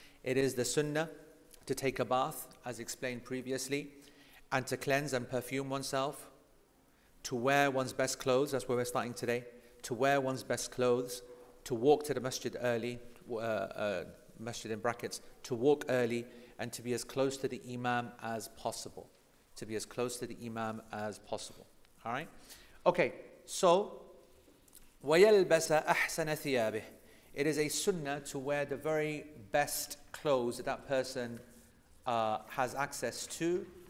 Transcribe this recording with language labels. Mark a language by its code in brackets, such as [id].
[en] It is the sunnah to take a bath, as explained previously, and to cleanse and perfume oneself, to wear one's best clothes, that's where we're starting today, to wear one's best clothes, to walk to the masjid early, masjid in brackets, to walk early, and to be as close to the imam as possible. To be as close to the imam as possible. All right? Okay, so, [ar] وَيَلْبَسَ أَحْسَنَ ثِيَابِهِ. [en] It is a sunnah to wear the very best clothes that person has access to.